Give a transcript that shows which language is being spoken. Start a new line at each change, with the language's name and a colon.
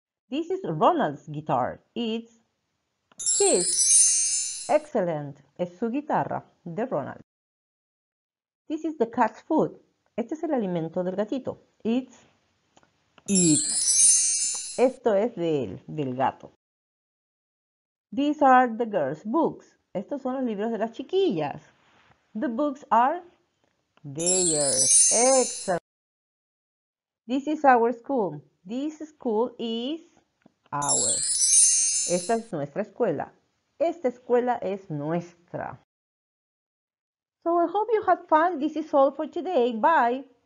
English: This is Ronald's guitar. It's his. Excellent.
Spanish: Es su guitarra, de Ronald.
English: This is the cat's food.
Spanish: Este es el alimento del gatito.
English: It's it.
Spanish: Esto es de él, del gato.
English: These are the girls' books.
Spanish: Estos son los libros de las chiquillas.
English: The books are theirs. Excellent. This is our school. This school is ours.
Spanish: Esta es nuestra escuela. Esta escuela es nuestra.
English: So I hope you had fun. This is all for today. Bye.